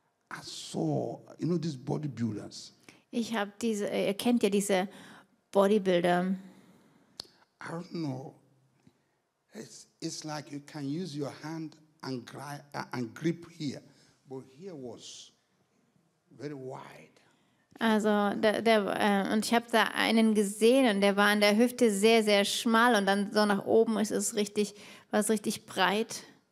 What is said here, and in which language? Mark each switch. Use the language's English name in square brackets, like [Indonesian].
[English] I saw, you know these bodybuilders. [German] Ich habe diese, ihr kennt ja diese Bodybuilder. [English] I don't know. It's like you can use your hand and grip here, but here was very wide. [German] Also und ich habe da einen gesehen und der war an der Hüfte sehr sehr schmal und dann so nach oben ist es richtig, war es richtig breit.